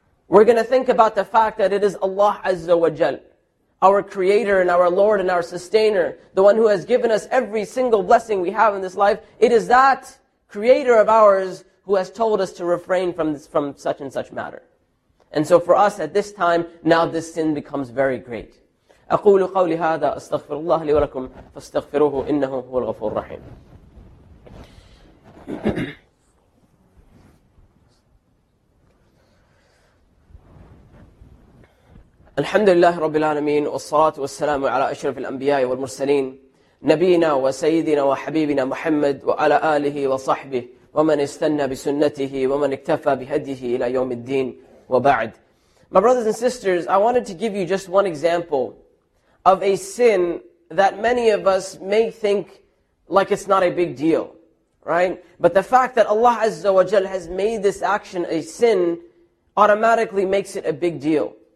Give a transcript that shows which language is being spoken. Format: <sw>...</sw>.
<en>We're going to think about the fact that it is Allah Azza wa Jal, our Creator and our Lord and our Sustainer, the one who has given us every single blessing we have in this life. It is that Creator of ours who has told us to refrain from this, from such and such matter. And so for us at this time, now this sin becomes very great.</en> <ar>أقول قولي هذا أستغفر الله لي ولكم فاستغفروه إنه هو الغفور الرحيم. الحمد لله رب العالمين والصلاة والسلام على أشرف الأنبياء والمرسلين نبينا وسيدنا وحبيبنا محمد وعلى آله وصحبه ومن استنى بسنته ومن اكتفى بهديه إلى يوم الدين وبعد.</ar> <en>My brothers and sisters, I wanted to give you just one example of a sin that many of us may think like it's not a big deal, right? But the fact that Allah Azza wa Jal has made this action a sin automatically makes it a big deal.</en>